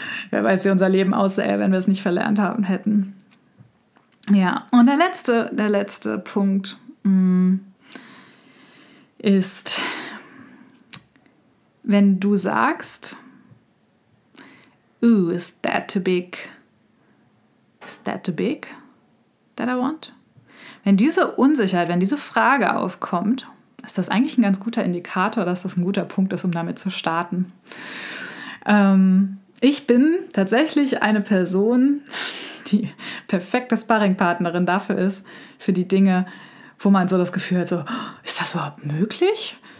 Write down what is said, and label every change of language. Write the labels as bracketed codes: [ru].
[de] Wer weiß, wie unser Leben aussähe, wenn wir es nicht verlernt haben hätten. Ja, und der letzte Punkt ist, wenn du sagst, [en] is that too big? Is that too big that I want? [de] Wenn diese Unsicherheit, wenn diese Frage aufkommt, ist das eigentlich ein ganz guter Indikator, dass das ein guter Punkt ist, um damit zu starten. Ich bin tatsächlich eine Person, die perfekte Sparringpartnerin dafür ist, für die Dinge, wo man so das Gefühl hat, so, ist das überhaupt möglich?